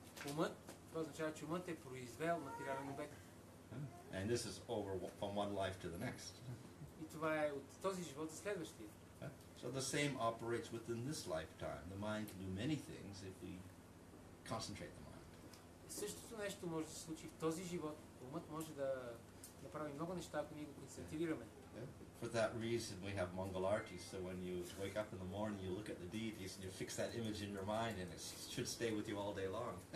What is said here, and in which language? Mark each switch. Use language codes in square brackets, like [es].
[bg] Умът, това означава, че умът е произвел материален обект. [en] And this is over from one life to the next. [bg] И това е от този живот до следващия. [en] So the same operates within this lifetime. The mind can do many things if we concentrate the mind. [bg] Същото нещо може да се случи в този живот. Умът може да направи много неща, ако ние го концентрираме. [en] For that reason we have Mangal Arati. So when you wake up in the morning, you look at the deities and you fix that image in your mind and it should stay with you all day long.